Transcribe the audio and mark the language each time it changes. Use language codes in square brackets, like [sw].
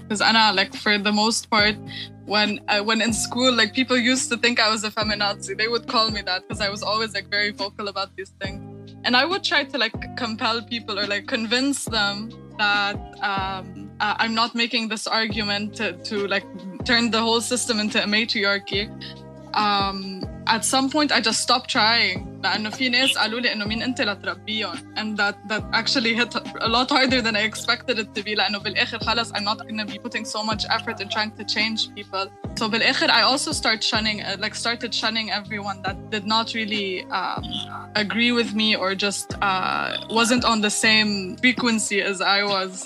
[en] Because Anna, like for the most part, when in school, like people used to think I was a feminazi, they would call me that because I was always like very vocal about these things. And I would try to like compel people or like convince them that I'm not making this argument to like turn the whole system into a matriarchy. At some point, I just stopped trying. [ar] لأنه في ناس قالوا لي إنه مين أنت لتربيهم. [en] And that actually hit a lot harder than I expected it to be. [ar] لأنه بالآخر خلاص [en] I'm not going to be putting so much effort in trying to change people. So [ar] بالآخر [en] I also started shunning everyone that did not really agree with me or just wasn't on the same frequency as I was.